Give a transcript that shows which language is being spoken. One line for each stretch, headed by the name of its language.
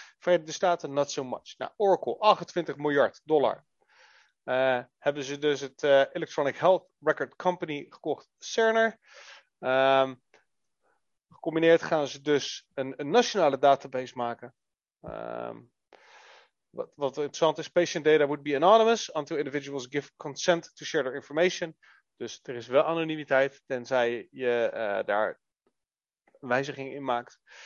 Dutch: Verenigde Staten,
English: not so much.
Dutch: Nou, Oracle, $28 miljard. Hebben ze dus het Electronic Health Record Company gekocht. Cerner. Gecombineerd gaan ze dus een nationale database maken. Wat interessant is,
English: patient data would be anonymous until individuals give consent to share their information.
Dutch: Dus er is wel anonimiteit, tenzij je daar een wijziging in maakt.